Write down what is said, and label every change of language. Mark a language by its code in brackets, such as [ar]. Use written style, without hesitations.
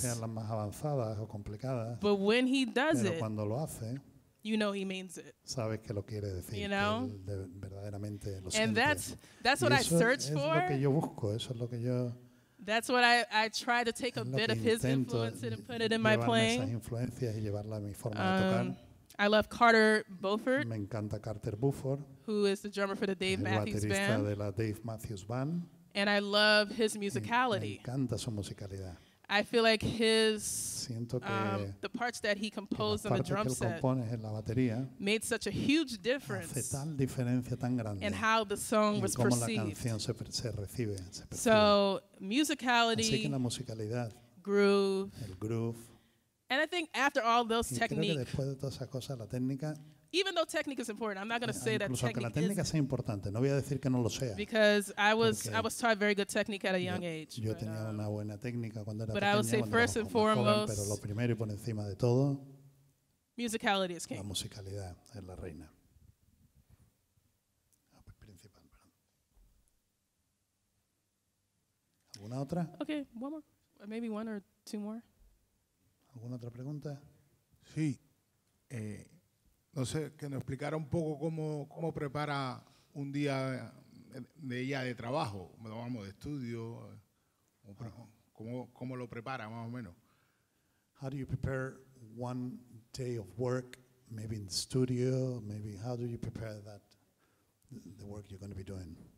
[es] Que sean las más avanzadas o complicadas. [en] But when he does [es] it, cuando lo hace, [en] you know he means it. [es] Sabes que lo quiere decir. [en] You know? [es] Que él verdaderamente lo siente. [en] And that's what I search for. [es] Eso es lo que yo busco. Eso es lo que yo. [en] That's what I try to take a bit of his influence and put it in my playing. [es] Esas influencias y llevarla a mi forma de tocar. [en] I love Carter Beaufort. [es] Me encanta Carter Beaufort. [en] Who is the drummer for the Dave Matthews Band? [es] De la Dave Matthews Band. [en] And I love his musicality. [es] Me encanta su musicalidad. [en] I feel like his [es] siento que [en] the parts that he composed on the drum [es] que él compone [en] set [es] en la batería [en] made such a huge difference. [es] Hace tal diferencia tan grande [en] in how the song was [es] cómo [en] perceived. [es] La canción se recibe, se [en] so musicality, [es] así que la musicalidad, [en] groove, [es] el groove. [en] And I think after all those techniques, [es] después de todas esas cosas, la técnica, [en] even though technique is important, I'm not going to say that technique [es] la técnica sea importante, no voy a decir que no lo sea. [en] Because I was taught very good technique at a young age. [es] Yo tenía una buena técnica cuando era pequeño. [en] But I would say first and foremost, [es] pero lo primero y por encima de todo, [en] musicality is king. [es] La musicalidad es la reina. Principal, perdón. ¿Alguna otra? [en] Okay, one more. Maybe one or two more. [es] ¿Alguna otra pregunta? Sí. No sé, que nos explicara un poco cómo prepara un día de ella de trabajo, vamos, de estudio, cómo lo prepara, más o menos. [en] How do you prepare one day of work, maybe in the studio, maybe how do you prepare that, the work you're going to be doing?